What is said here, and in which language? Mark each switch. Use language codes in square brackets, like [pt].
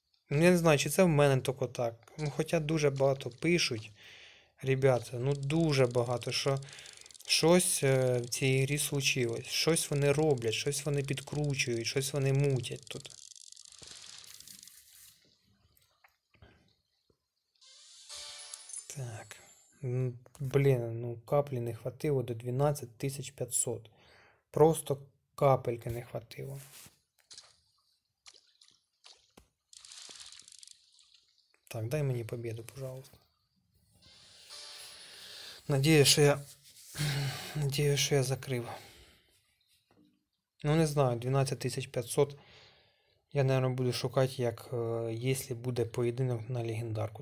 [uk] Ну, я не знаю, чи це в мене тільки так. Ну, хоча дуже багато пишуть, [ru] ребята, [uk] ну дуже багато, що щось в цій грі [ru] случилось, [uk] щось вони роблять, щось вони підкручують, щось вони мутять тут. Так. Блін, ну каплі не хватило до 12500. [ru] Просто капельки не хватило. [uk] Так, дай мені побіду, [ru] пожалуйста. [uk] Надіюсь, що я закрив. Ну, не знаю, 12500. Я, [ru] наверное, [uk] буду шукати, як [ru] если [uk] буде поєдинок на легендарку.